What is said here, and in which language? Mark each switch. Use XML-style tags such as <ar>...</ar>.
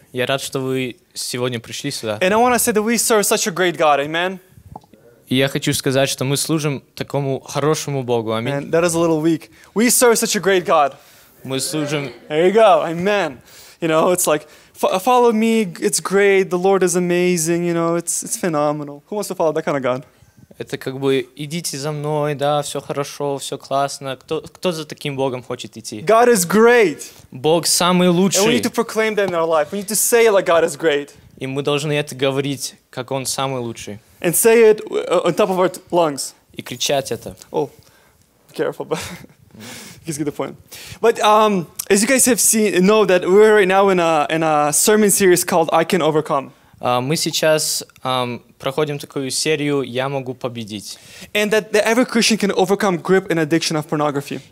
<ru>Я рад, что вы сегодня пришли сюда.</ru> <en>And I want to say that we serve such a great God, amen.</en> <ru>И я хочу сказать, что мы служим такому хорошему Богу, аминь.</ru> <en>That is a little weak. We serve such a great God.</en> <ru>Мы служим.</ru> <en>There you go, amen. You know, it's like follow me, it's great, the Lord is amazing, you know, it's phenomenal. Who wants to follow that kind of God?</en> <ru>Это как бы идите за мной, да, все хорошо, все классно. Кто за таким Богом хочет идти?</ru> <en>God is great.</en> <ru>Бог самый лучший.</ru> <en>And we need to proclaim that in our life. We need to say like God is great.</en> <ru>И мы должны это говорить, как Он самый лучший.</ru> <en>And say it on top of our lungs.</en> <ru>И кричать это.</ru> <en>Oh, careful, but you guys get the point. But as you guys have seen, know that we're right now in a sermon series called "I Can Overcome."</en> <ru>Мы сейчас проходим такую серию «Я могу победить».</ru> <en>And that every Christian can overcome grip and addiction of pornography.</en>